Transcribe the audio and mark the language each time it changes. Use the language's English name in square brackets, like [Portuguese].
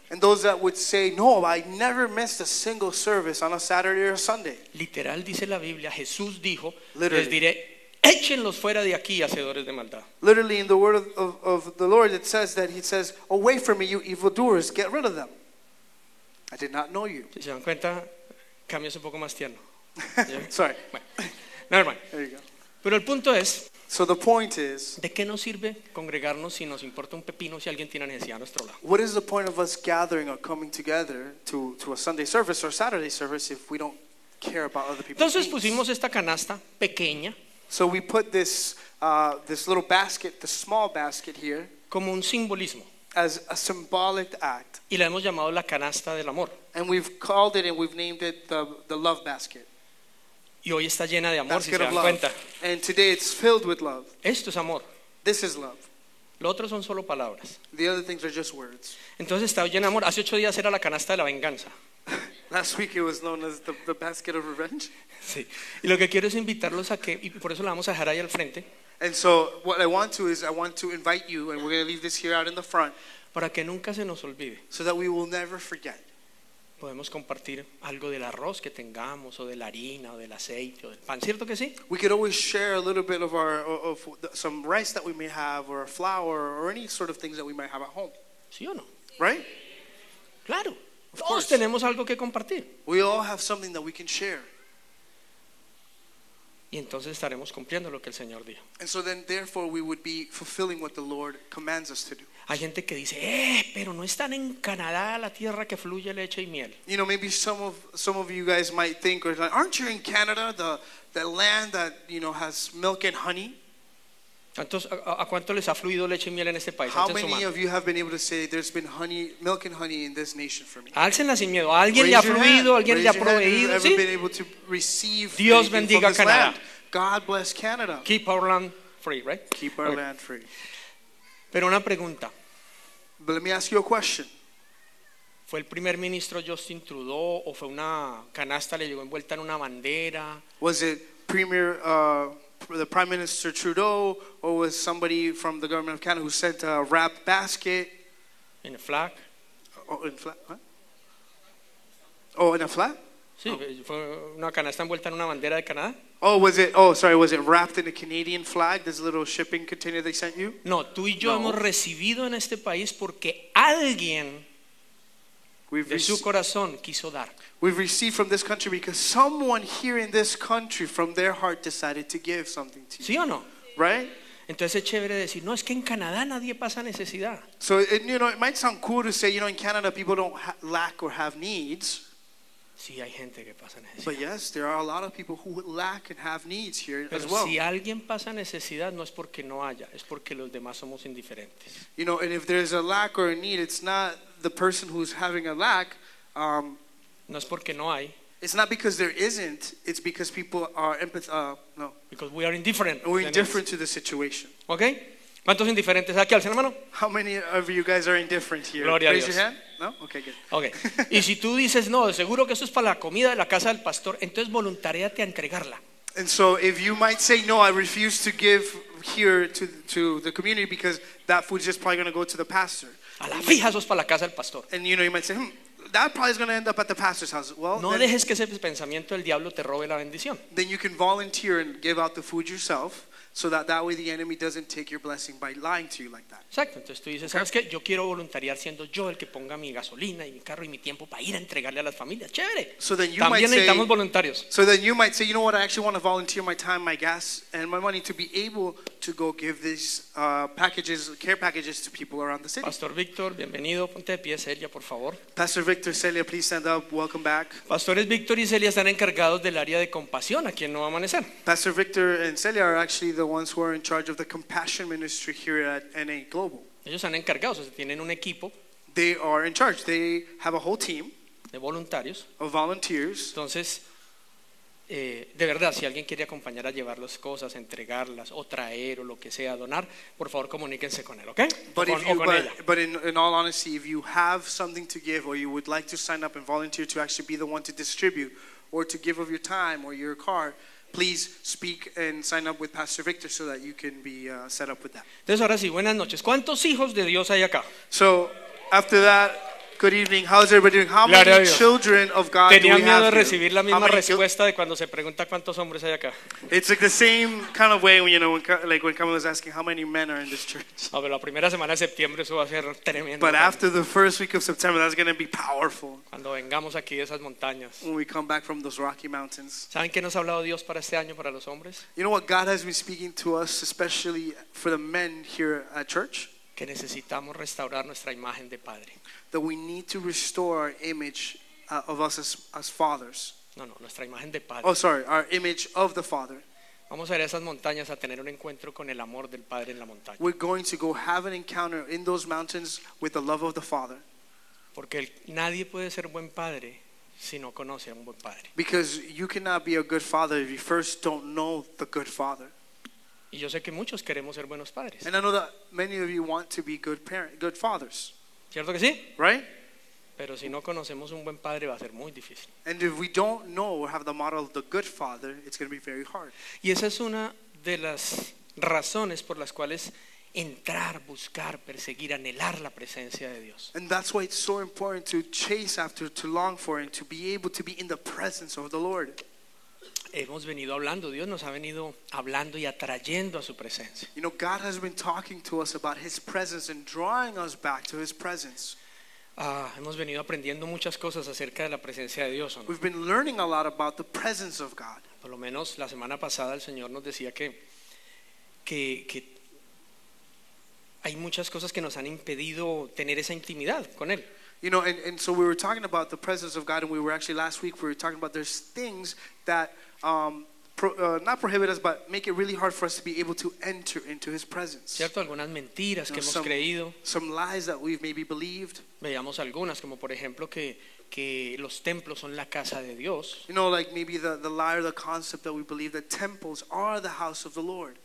[English] And those that would say, no, I never missed a single service on a Saturday or a Sunday. [Spanish] Literal dice la Biblia, Jesús dijo, les diré, échenlos fuera de aquí, hacedores de maldad. [English] Literally in the word of the Lord, it says that he says, away from me, you evildoers, get rid of them. I did not know you. [Spanish] Si se dan cuenta, cambio es un poco más tierno. [English] Sorry. [Spanish] Bueno, [English] never mind. There you go. [Spanish] Pero el punto es, [English] so the point is, [Spanish] ¿de qué nos sirve congregarnos si nos importa un pepino si alguien tiene necesidad a nuestro lado? [English] What is the point of us gathering or coming together to a Sunday service or Saturday service if we don't care about other people's [Spanish] Entonces [English] needs? [Spanish] Pusimos esta canasta pequeña. [English] So we put this little basket, the small basket here, [Spanish] como un simbolismo. [English] As a symbolic act. [Spanish] Y la hemos llamado la canasta del amor. [English] And we've called it and we've named it the love basket. [Spanish] Y hoy está llena de amor, si se dan cuenta. [English] And today it's filled with love. [Spanish] Esto es amor. [English] This is love. [Spanish] Lo otro son solo palabras. [English] The other things are just words. [Spanish] Entonces estaba lleno de amor. Hace 8 días era la canasta de la venganza. [English] Last week it was known as the basket of revenge. [Spanish] Sí. Y lo que quiero es invitarlos a que, y por eso la vamos a dejar ahí al frente. [English] And so what I want to is I want to invite you, and we're going to leave this here out in the front. [Spanish] Para que nunca se nos olvide. [English] So that we will never forget. [Spanish] Podemos compartir algo del arroz que tengamos, o de la harina, o del aceite, o del pan, ¿cierto que sí? [English] We could always share a little bit of our of some rice that we may have, or flour, or any sort of things that we might have at home. [Spanish] ¿Sí o no? [English] Right? [Spanish] Claro. [English] Of [Spanish] Todos [English] course. [Spanish] Tenemos algo que compartir. [English] We all have something that we can share. [Spanish] Y entonces estaremos cumpliendo lo que el Señor dijo. [English] And so then, therefore, we would be fulfilling what the Lord commands us to do. [Spanish] Hay gente que dice, pero no están en Canadá, la tierra que fluye leche y miel. [English] You know, maybe some of you guys might think, or like, aren't you in Canada, the land that, you know, has milk and honey? [Spanish] ¿A cuánto les ha fluido leche y miel en este país? [English] How many of you have been able to say there's been honey, milk and honey in this nation for me? [Spanish] Álcenla sin miedo. ¿Alguien le ha fluido? ¿Alguien le ha proveído? [English] Ever been able to receive? [Spanish] Dios bendiga Canadá. [English] God bless Canada. Keep our land free, right? Keep our land free. [Spanish] Pero una pregunta. [English] But let me ask you a question. [Spanish] ¿Fue el primer ministro Justin Trudeau o fue una canasta le llegó envuelta en una bandera? [English] Was it the Prime Minister Trudeau, or was somebody from the government of Canada who sent a wrap basket? In a flag? Oh, in flag? Huh? Oh, in a flag? [Spanish] Sí, fue una canasta envuelta en una bandera de Canadá. [English] Was it wrapped in a Canadian flag, this little shipping container they sent you? [Spanish] No, tú y yo hemos recibido en este país porque alguien de su corazón quiso dar. [English] We've received from this country because someone here in this country from their heart decided to give something to you. [Spanish] ¿Sí o no? [English] Right? [Spanish] Entonces es chévere decir, no, es que en Canadá nadie pasa necesidad. [English] So, you know, it might sound cool to say, you know, in Canada people don't lack or have needs. [Spanish] Sí, hay gente que pasa necesidad. [English] But yes, there are a lot of people who lack and have needs here. [Spanish] Pero [English] as well. [Spanish] Si alguien pasa necesidad, no es porque no haya, es porque los demás somos indiferentes. [English] You know, and if there's a lack or a need, it's not the person who's having a lack. [Spanish] No es porque no hay. [English] It's not because there isn't, it's because people are because we are indifferent. We're indifferent to the situation. Okay? [Spanish] ¿Cuántos indiferentes aquí? Alcen la mano. [English] How many of you guys are indifferent here? [Spanish] Gloria [English] Raise [Spanish] a Dios. [English] Your hand. No? Okay, good. [Spanish] Okay. Y si tú dices no, seguro que eso es para la comida de la casa del pastor, entonces voluntariate a entregarla. [English] And so if you might say no, I refuse to give here to the community because that food is just probably going to go to the pastor. [Spanish] A la fija eso es para la casa del pastor. [English] And you know, you might say, that probably is going to end up at the pastor's house. Well, [Spanish] no dejes que ese pensamiento del diablo te robe la bendición. [English] Then you can volunteer and give out the food yourself, so that way the enemy doesn't take your blessing by lying to you like that. [Spanish] Exacto. Entonces tú dices, ¿sabes qué? Yo quiero voluntariar siendo yo el que ponga mi gasolina y mi carro y mi tiempo para ir a entregarle a las familias. Chévere. [English] So then you [Spanish] También necesitamos [English] say, [Spanish] voluntarios. [English] So then you might say, you know what? I actually want to volunteer my time, my gas, and my money to be able to go give these packages, care packages to people around the city. [Spanish] Pastor Víctor, bienvenido. Ponte de pie, Celia, por favor. [English] Pastor Víctor, Celia, please stand up. Welcome back. [Spanish] Pastores Víctor y Celia están encargados del área de compasión aquí en Nuevo Amanecer. [English] Pastor Víctor and Celia are actually the ones who are in charge of the compassion ministry here at NA Global. [Spanish] Ellos han encargado, o sea, tienen un equipo. [English] They are in charge. They have a whole team [Spanish] de voluntarios. [English] Of volunteers. [Spanish] Entonces, de verdad, si alguien quiere acompañar a llevar las cosas, entregarlas, o traer, o lo que sea, donar, por favor, comuníquense con él, ¿okay? [English] But in all honesty, if you have something to give, or you would like to sign up and volunteer to actually be the one to distribute, or to give of your time, or your car, please speak and sign up with Pastor Victor so that you can be set up with that. [Spanish] Entonces ahora sí, buenas noches. ¿Cuántos hijos de Dios hay acá? [English] So, after that, good evening. How's everybody doing? How many children of God [Spanish] Tenía [English] do we have [Spanish] miedo [English] here? [Spanish] De recibir la misma respuesta de cuando se pregunta cuántos hombres hay acá. [English] It's like the same kind of way, you know, when Camilo was asking how many men are in this church. [Spanish] No, pero la primera semana de septiembre eso va a ser tremendo. [English] But after the first week of September, that's going to be powerful. [Spanish] Cuando vengamos aquí de esas montañas. [English] When we come back from those Rocky Mountains. [Spanish] ¿Saben qué nos ha hablado Dios para este año para los hombres? [English] You know what God has been speaking to us, especially for the men here at church? [Spanish] Que necesitamos restaurar nuestra imagen de padre. [English] That we need to restore our image of us as fathers. [Spanish] No, nuestra imagen de padre. [English] Oh, sorry, our image of the father. [Spanish] Vamos a ir a esas montañas a tener un encuentro con el amor del padre en la montaña. [English] We're going to go have an encounter in those mountains with the love of the father. [Spanish] Porque nadie puede ser buen padre si no conoce a un buen padre. [English] Because you cannot be a good father if you first don't know the good father. [Spanish] Y yo sé que muchos queremos ser buenos padres. [English] And I know that many of you want to be good parents, good fathers. [Spanish] ¿Cierto que sí? [English] Right? [Spanish] Pero si no conocemos un buen padre va a ser muy difícil. [English] And if we don't know or have the model of the good father, it's going to be very hard. [Spanish] Y esa es una de las razones por las cuales entrar, buscar, perseguir, anhelar la presencia de Dios. [English] And that's why it's so important to chase after, to long for, and to be able to be in the presence of the Lord. [Spanish] Hemos venido hablando, Dios nos ha venido hablando y atrayendo a su presencia. [English] You know, God has been talking to us about his presence and drawing us back to his presence. [Spanish] Hemos venido aprendiendo muchas cosas acerca de la presencia de Dios, ¿no? [English] We've been learning a lot about the presence of God. [Spanish] Por lo menos la semana pasada el Señor nos decía que hay muchas cosas que nos han impedido tener esa intimidad con él. [English] You know, and so we were talking about the presence of God, and we were actually last week we were talking about there's things that not prohibit us, but make it really hard for us to be able to enter into his presence. [Spanish] Cierto, algunas mentiras que hemos creído. [English] Some lies that we've maybe believed. [Spanish] Veamos algunas, como por ejemplo que los templos son la casa de Dios. [English] You know, like maybe the lie or the concept that we believe that temples are the house of the Lord.